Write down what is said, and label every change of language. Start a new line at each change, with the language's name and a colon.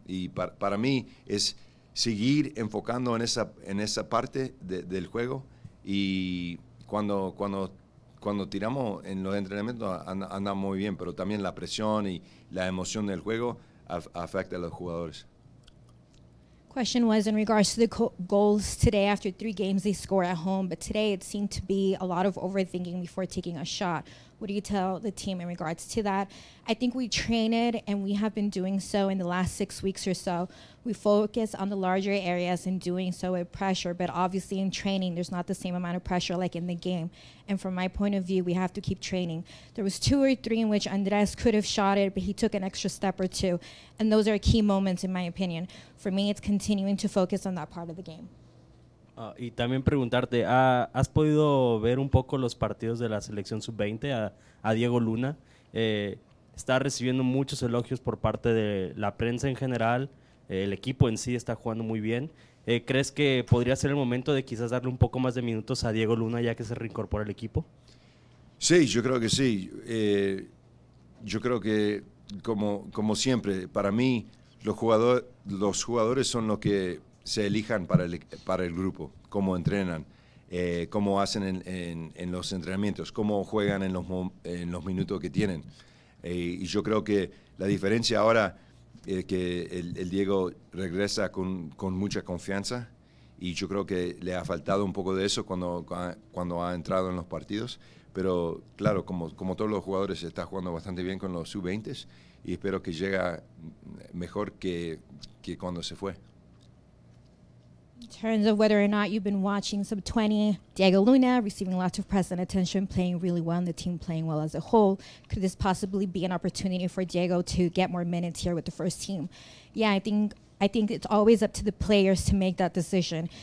Spanish: Y para mí es seguir enfocando en esa parte del juego. Y cuando tiramos en los entrenamientos, anda muy bien. Pero también la presión y la emoción del juego afecta a los jugadores.
English: Question was in regards to the goals today. After 3 games, they score at home, but today it seemed to be a lot of overthinking before taking a shot. What do you tell the team in regards to that? I think we train it, and we have been doing so in the last 6 weeks or so. We focus on the larger areas in doing so with pressure, but obviously in training, there's not the same amount of pressure like in the game. And from my point of view, we have to keep training. There was 2 or 3 in which Andres could have shot it, but he took an extra step or two. And those are key moments, in my opinion. For me, it's continuing to focus on that part of the game.
Spanish: Y también preguntarte, ¿has podido ver un poco los partidos de la selección sub-20 a Diego Luna? Está recibiendo muchos elogios por parte de la prensa en general, el equipo en sí está jugando muy bien. ¿Crees que podría ser el momento de quizás darle un poco más de minutos a Diego Luna ya que se reincorpora el equipo? Sí, yo creo que sí. Yo creo que, como siempre, para mí los jugadores son los que se elijan para el grupo, cómo entrenan, cómo hacen en los entrenamientos, cómo juegan en los minutos que tienen. Y yo creo que la diferencia ahora es que el Diego regresa con mucha confianza y yo creo que le ha faltado un poco de eso cuando ha entrado en los partidos. Pero claro, como todos los jugadores, está jugando bastante bien con los sub-20 y espero que llegue mejor que cuando se fue.
English: In terms of whether or not you've been watching sub-20, Diego Luna receiving lots of press and attention, playing really well, and the team playing well as a whole, could this possibly be an opportunity for Diego to get more minutes here with the first team? Yeah, I think it's always up to the players to make that decision.